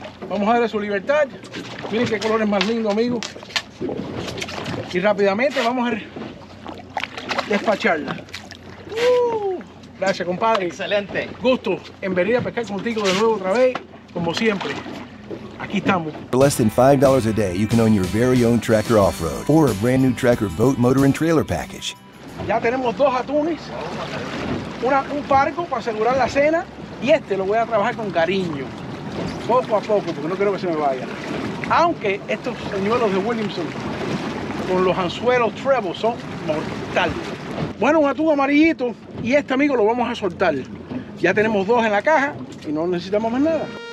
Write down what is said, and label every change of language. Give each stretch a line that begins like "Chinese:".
Spanish: Vamos a darle su libertad. Miren qué colores más lindos, amigos. Y rápidamente vamos a despacharla. Gracias, compadre. Excelente. Gusto en venir a pescar contigo de nuevo otra vez, como siempre. Aquí estamos.
English: For less than $5 a day, you can own your very own Tracker Off-Road or a brand new Tracker boat, motor, and trailer package.
Spanish: Ya tenemos dos atunes, un pargo para asegurar la cena y este lo voy a trabajar con cariño, poco a poco, porque no quiero que se me vaya. Aunque estos señuelos de Williamson con los anzuelos treble son mortales. Bueno, un atún amarillito y este amigo lo vamos a soltar. Ya tenemos dos en la caja y no necesitamos más nada.